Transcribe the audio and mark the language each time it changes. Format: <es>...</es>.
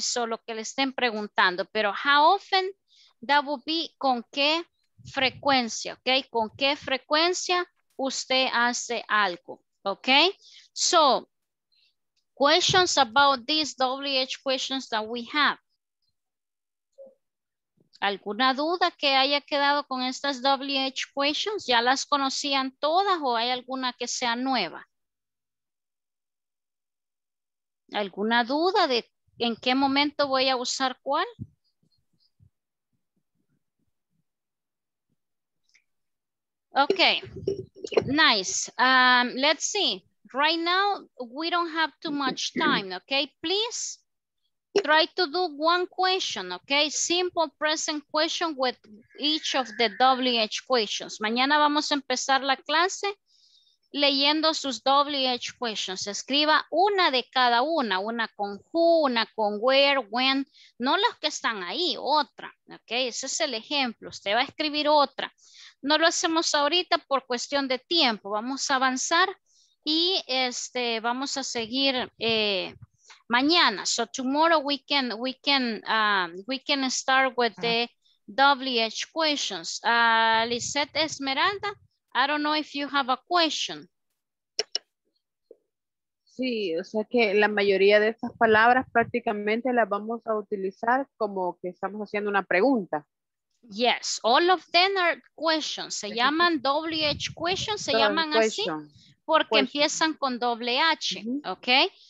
<es>So lo que le estén preguntando, pero</es> <en>how often, that would be</en> <es>con qué frecuencia, okay? Con qué frecuencia usted hace algo, okay?</es> <en>So questions about these WH questions that we have.</en> <es>¿Alguna duda que haya quedado con estas WH questions? ¿Ya las conocían todas o hay alguna que sea nueva? ¿Alguna duda de en qué momento voy a usar cuál?</es> <en>Ok, nice. Let's see. Right now, we don't have too much time, okay? Please try to do one question, okay? Simple present question with each of the WH questions.</en> <es>Mañana vamos a empezar la clase leyendo sus WH questions. Escriba una de cada una con who, una con where, when, no las que están ahí, otra, okay? Ese es el ejemplo, usted va a escribir otra. No lo hacemos ahorita por cuestión de tiempo, vamos a avanzar. Y este, vamos a seguir mañana.</es> <en>So tomorrow we can start with the WH questions. Lisette Esmeralda, I don't know if you have a question.</en> <es>Sí, o sea que la mayoría de estas palabras prácticamente las vamos a utilizar como que estamos haciendo una pregunta.</es> <en>Yes, all of them are questions.</en> <es>Se llaman WH questions, se llaman así. Porque empiezan con doble H, ¿ok?</es>